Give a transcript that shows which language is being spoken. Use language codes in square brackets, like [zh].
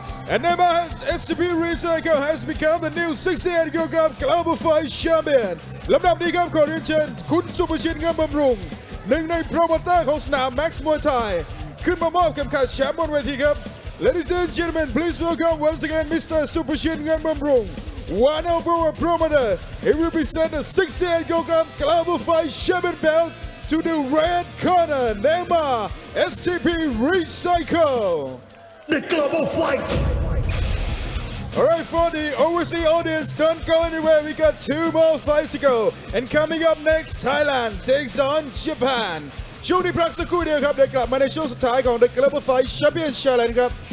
[en] And Nema SCP Recycle has become the new 68 kilogram Global Fight Champion. [th] ลำดับนี้ครับขอเรียนเชิญคุณสุภชินเงินบำรุงหนึ่งในโปรโมเตอร์ของสนาม Max มวยไทยขึ้นมามอบเข็มขัดแชมป์บนเวทีครับ [en] Ladies and gentlemen, please welcome once again Mr. Super Shin Ngan Bumrung, one of our promoter. He will present the 68kg Global Fight Champion belt to the red corner, Nema STP Recycle. The Global Fight! Alright, for the overseas audience, don't go anywhere. We got two more fights to go. And coming up next, Thailand takes on Japan. [th] ช่วงนี้พักสักครู่เดียวครับเดี๋ยวกลับมาในช่วงสุดท้ายของ The Global Fight Champion Challenge ครับ